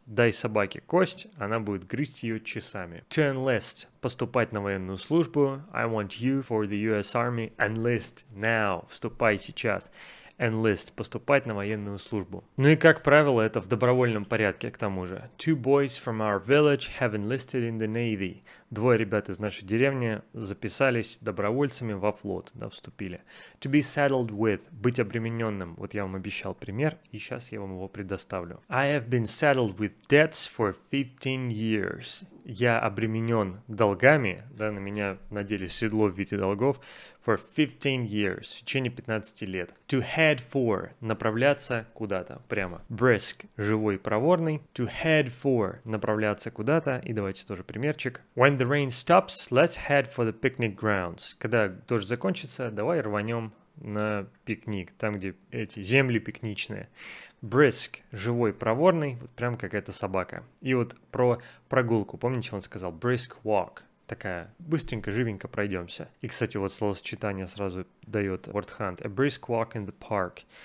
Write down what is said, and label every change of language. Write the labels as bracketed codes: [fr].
[ru] Дай собаке кость, она будет грызть ее часами. [en] To enlist. [ru] Поступать на военную службу. [en] I want you for the US Army. Enlist now. [ru] Вступай сейчас. Enlist. Поступать на военную службу. Ну и как правило, это в добровольном порядке, к тому же. [en] Two boys from our village have enlisted in the Navy. [ru] Двое ребят из нашей деревни записались добровольцами во флот, да, вступили. [en] To be saddled with. [ru] Быть обремененным. Вот я вам обещал пример, и сейчас я вам его предоставлю. [en] I have been saddled with debts for 15 years. [ru] Я обременен долгами, да, на меня надели седло в виде долгов, [en] for 15 years, [ru] в течение 15 лет. [en] To head for, [ru] направляться куда-то, прямо. Brisk, живой, проворный. [en] To head for, [ru] направляться куда-то, и давайте тоже примерчик. [en] When the rain stops, let's head for the picnic grounds. [ru] Когда дождь закончится, давай рванем на пикник, там, где эти земли пикничные. Brisk, живой, проворный, вот прям как эта собака. И вот про прогулку, помните, он сказал [en] brisk walk, [ru] такая быстренько, живенько пройдемся. И, кстати, вот словосочетание сразу дает [en] Word Hunt, a brisk walk in the park.